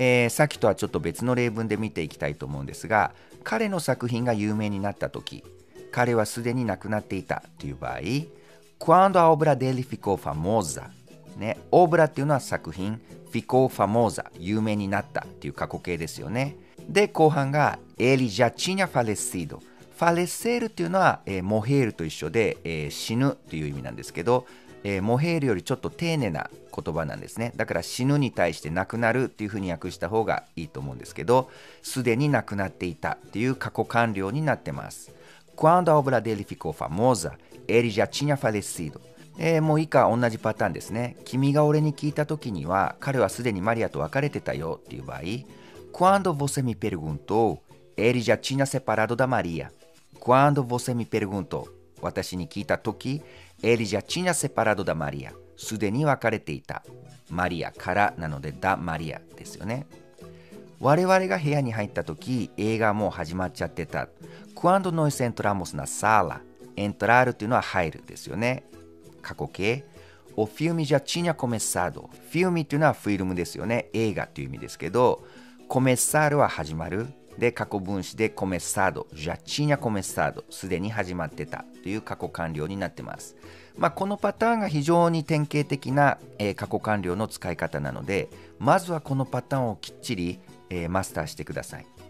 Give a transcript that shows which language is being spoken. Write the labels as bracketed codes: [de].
[ja] さっきとはちょっと別の例文で見ていきたいと思うんですが、彼の作品が有名になった時、彼はすでに亡くなっていたっていう場合、 [pt] Quando a obra dele ficou famosa、 [ja] ね、オブラっていうのは作品、 [pt] ficou famosa、 [ja] 有名になったっていう過去形ですよね。で、後半が [pt] ele já tinha falecido。 [ja] falecer っていうのは、morrer と一緒で、死ぬという意味なんですけど、morrer よりちょっと丁寧な言葉なんですね。だから死ぬに対して亡くなるっていうふうに訳した方がいいと思うんですけど、すでに亡くなっていたっていう過去完了になってます。 [pt] quando a obra dele ficou famosa ele já tinha falecido、 [ja] もう以下同じパターンですね。君が俺に聞いた時には彼はすでにマリアと別れてたよっていう場合、 [pt] Quando você me perguntou, ele já tinha separado da Maria. Quando você me perguntou, [ja] 私に聞いた時、 [pt] ele já tinha separado da Maria. [ja] すでに別れていた。 Maria からなので、da Maria ですよね。我々が部屋に入った時、映画もう始まっちゃってた。 [pt] Quando nós entramos na sala, entrar [ja] というのは入るですよね。過去形。 [pt] O filme já tinha começado. [ja] Filme というのはフィルムですよね。映画という意味ですけど、コメッサールは始まる。で、過去分詞でコメッサード、ジャチーニャコメッサード、すでに始まってたという過去完了になってます。まあ、このパターンが非常に典型的な、過去完了の使い方なので、まずはこのパターンをきっちり、マスターしてください。